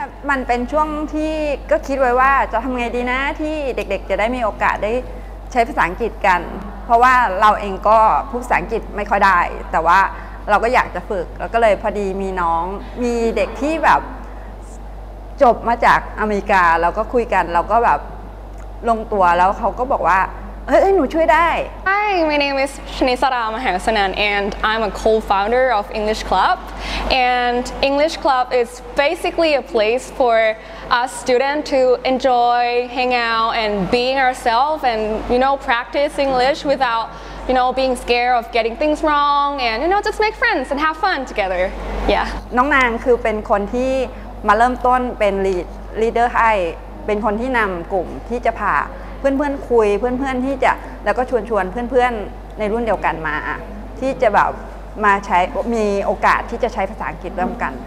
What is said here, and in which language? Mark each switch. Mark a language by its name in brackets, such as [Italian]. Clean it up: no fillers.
[Thai] มันเป็นช่วงที่ก็คิดไว้ว่าจะทำไงดีนะที่เด็กๆจะได้มีโอกาสได้ใช้ภาษาอังกฤษกันเพราะว่าเราเองก็พูดภาษาอังกฤษไม่ค่อยได้แต่ว่าเราก็อยากจะฝึกแล้วก็เลยพอดีมีน้องมีเด็กที่แบบจบมาจากอเมริกาเราก็คุยกันเราก็แบบลงตัวแล้วเขาก็บอกว่าเฮ้ยหนูช่วยได้ [English] Hi my name is Shanisara Mahasanan and I'm a co-founder of English ClubAnd English Club is basically a place for us students to enjoy, hang out, and being ourselves, and you know, practice English without, you know, being scared of getting things wrong, and you know, just make friends and have fun together. Yeah. [Thai] น้องนางคือเป็นคนที่มาเริ่มต้นเป็น leader ให้เป็นคนที่นำกลุ่มที่จะพาเพื่อนๆคุยเพื่อนๆที่จะแล้วก็ชวนเพื่อนๆในรุ่นเดียวกันมาที่จะแบบมาใช้มีโอกาสที่จะใช้ภาษาอังกฤษร่วมกัน